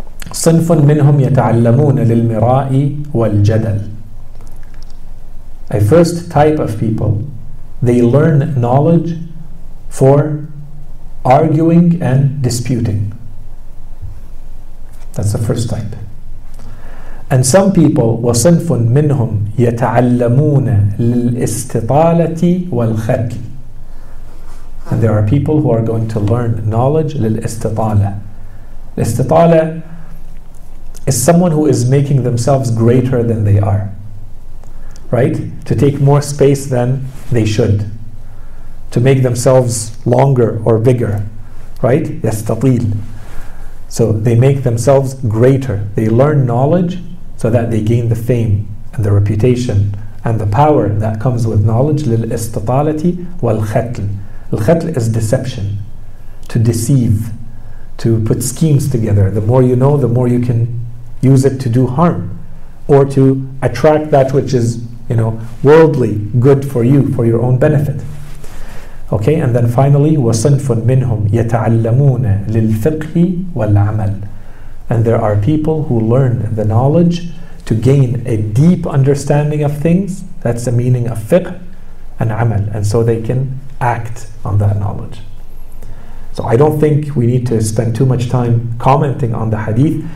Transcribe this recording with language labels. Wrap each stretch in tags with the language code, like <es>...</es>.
<ar>صِنْفٌ مِنْهُمْ يَتَعَلَّمُونَ لِلْمِرَاءِ وَالْجَدَلِ.</ar> <en>A first type of people, they learn knowledge for arguing and disputing. That's the first type. And some people,</en> <ar>وَصِنْفٌ مِنْهُمْ يَتَعَلَّمُونَ لِلْإِسْتِطَالَةِ وَالْخَرْكِ.</ar> <en>And there are people who are going to learn knowledge, لِلْإِسْتِطَالَةِ. الْإِسْتِطَالَةِ is someone who is making themselves greater than they are, right? To take more space than they should, to make themselves longer or bigger, right?</en> <ar>يَسْتَطِيل.</ar> <en>So they make themselves greater. They learn knowledge so that they gain the fame and the reputation and the power that comes with knowledge,</en> <ar>لِلْإِسْتِطَالَةِ وَالْخَتْلِ.</ar> <en>Al-khatl is deception, to deceive, to put schemes together. The more you know, the more you can use it to do harm or to attract that which is, you know, worldly, good for you, for your own benefit. Okay, and then finally,</en> <ar>وَصِنْفٌ مِنْهُمْ يَتَعَلَّمُونَ لِلْفِقْهِ وَالْعَمَلِ.</ar> <en>And there are people who learn the knowledge to gain a deep understanding of things. That's the meaning of fiqh and amal. And so they can act on that knowledge. So I don't think we need to spend too much time commenting on the hadith.</en>